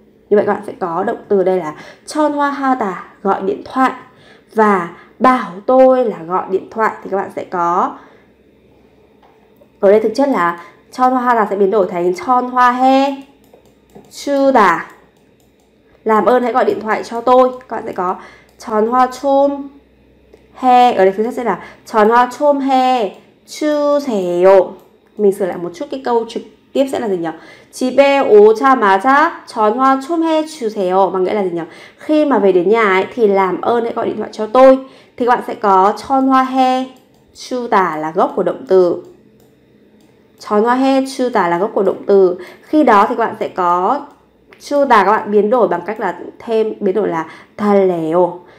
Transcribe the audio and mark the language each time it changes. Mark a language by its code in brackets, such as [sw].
[vi] Như vậy các bạn sẽ có động từ đây là 전화하다 gọi điện thoại và bảo tôi là gọi điện thoại thì các bạn sẽ có ở đây thực chất là 전화하다 sẽ biến đổi thành 전화해 주다. Làm ơn hãy gọi điện thoại cho tôi. Các bạn sẽ có [ko] 전화 좀 해. [vi] Ở đây thực chất sẽ là [ko] 전화 좀 해 주세요. [vi] Mình sửa lại một chút cái câu trực tiếp sẽ là gì nhỉ? [ko] 집에 오자마자 전화 좀 해 주세요. [vi] Mà nghĩa là gì nhỉ? Khi mà về đến nhà ấy, thì làm ơn hãy gọi điện thoại cho tôi. Thì các bạn sẽ có [ko] 전화 해 주다 [vi] là gốc của động từ. [ko] 전화 해 주다 [vi] là gốc của động từ. Khi đó thì các bạn sẽ có 주다 các bạn biến đổi bằng cách là thêm biến đổi là 달래요.